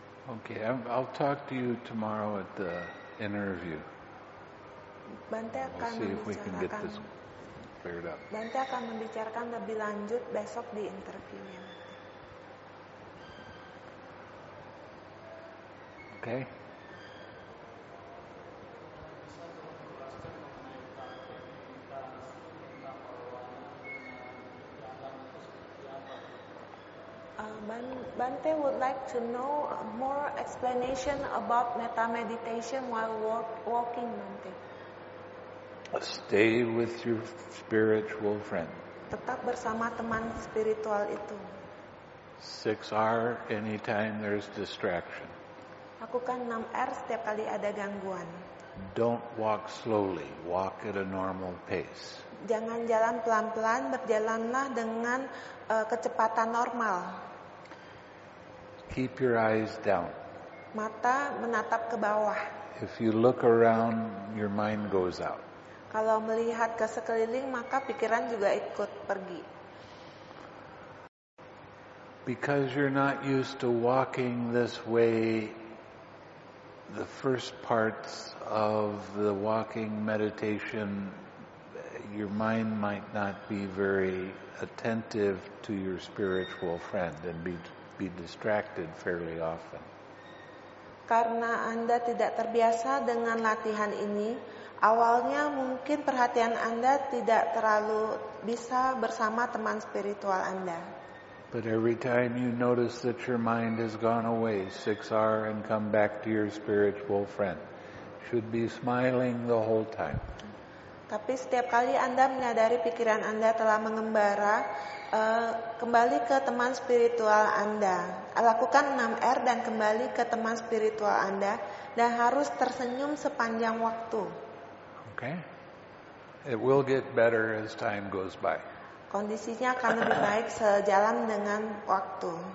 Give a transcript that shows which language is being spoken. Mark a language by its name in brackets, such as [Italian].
[English] Okay, I'll talk to you tomorrow at the interview. [Indonesian] Bante akan [English] we'll see if we can get this cleared up. [Indonesian] Bante akan membicarakan lebih lanjut besok di interviewnya. [English] Okay. Bante would like to know more explanation about metta meditation while walking, Bante. Stay with your spiritual friend. [Indonesian] Tetap bersama teman spiritual itu. [English] 6R anytime there's distraction. [Indonesian] Lakukan 6R setiap kali ada gangguan. [English] Don't walk slowly, walk at a normal pace. [Indonesian] Jangan jalan pelan-pelan, berjalanlah dengan kecepatan normal. [English] Keep your eyes down. [Indonesian] Mata menatap ke bawah. [English] If you look around, your mind goes out. [Indonesian] Kalau melihat ke sekeliling, maka pikiran juga ikut pergi. [English] Because you're not used to walking this way, the first parts of the walking meditation, your mind might not be very attentive to your spiritual friend and be distracted fairly often. [Indonesian] Karena Anda tidak terbiasa dengan latihan ini, awalnya mungkin perhatian Anda tidak terlalu bisa bersama teman spiritual Anda. [English] But every time you notice that your mind has gone away, 6R and come back to your spiritual friend, should be smiling the whole time. [Indonesian] Tapi setiap kali Anda menyadari pikiran Anda telah mengembara, kembali ke teman spiritual Anda. Lakukan 6R dan kembali ke teman spiritual Anda dan harus tersenyum sepanjang waktu. [English] Okay. It will get better as time goes by. [Indonesian] Kondisinya akan lebih baik sejalan dengan waktu.